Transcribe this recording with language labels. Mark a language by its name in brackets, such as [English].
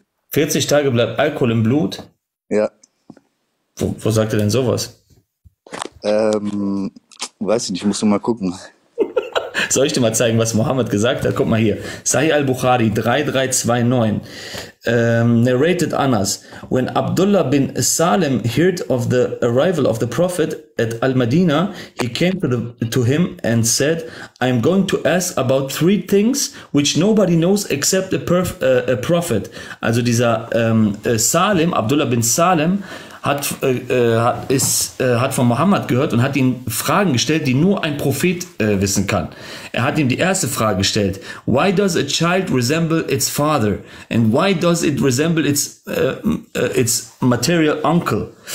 [German] 40 Tage bleibt Alkohol im Blut? Ja. Wo sagt er denn sowas? Weiß ich nicht, musst du mal gucken. Soll ich dir mal zeigen, was Mohammed gesagt hat? Guck mal hier. Sahih al-Bukhari 3329. Narrated Anas. [English] When Abdullah bin Salim heard of the arrival of the Prophet at Al-Madina, he came to him and said, I'm going to ask about three things which nobody knows except a prophet. [German] Also dieser Salim, Abdullah bin Salim, hat von Mohammed gehört und hat ihm Fragen gestellt, die nur ein Prophet wissen kann. Er hat ihm die erste Frage gestellt: [English] Why does a child resemble its father? And why does it resemble its material uncle?